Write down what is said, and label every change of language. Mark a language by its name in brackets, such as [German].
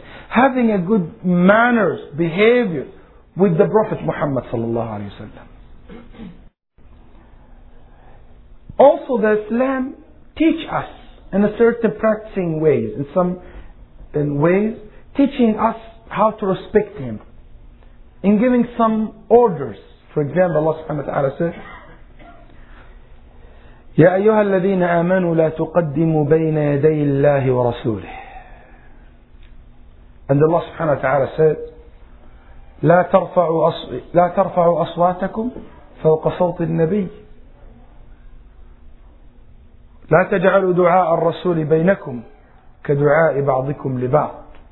[English] Having a good manners, behavior with the Prophet Muhammad ﷺ. Also the Islam teach us in a certain practicing ways, in ways, teaching us how to respect Him, in giving some orders. For example, Allah subhanahu wa ta'ala says, [Arabic] يَا أَيُّهَا الَّذِينَ آمَنُوا لَا تُقَدِّمُوا بَيْنَ يَدَيِ اللَّهِ وَرَسُولِهِ. [English] And Allah subhanahu wa ta'ala said, [Arabic] لَا تَرْفَعُوا أَصْوَاتَكُمْ فَوْقَ صَوْتِ النَّبِيِّ. لَا تَجْعَلُوا دُعَاءَ الرَّسُولِ بَيْنَكُمْ كَدُعَاءِ بَعْضِكُمْ لِبَعْضٍ.